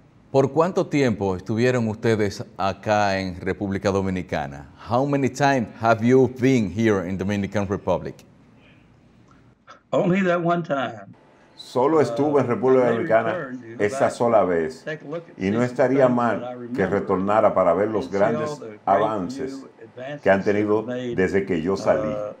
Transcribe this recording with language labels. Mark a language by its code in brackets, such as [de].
[es] ¿Por cuánto tiempo estuvieron ustedes acá en República Dominicana? [en] How many times have you been here in Dominican Republic? Only that one time. [es] Solo estuve en República Dominicana esa sola vez. Y no estaría mal que retornara para ver los grandes avances que han tenido desde que yo salí.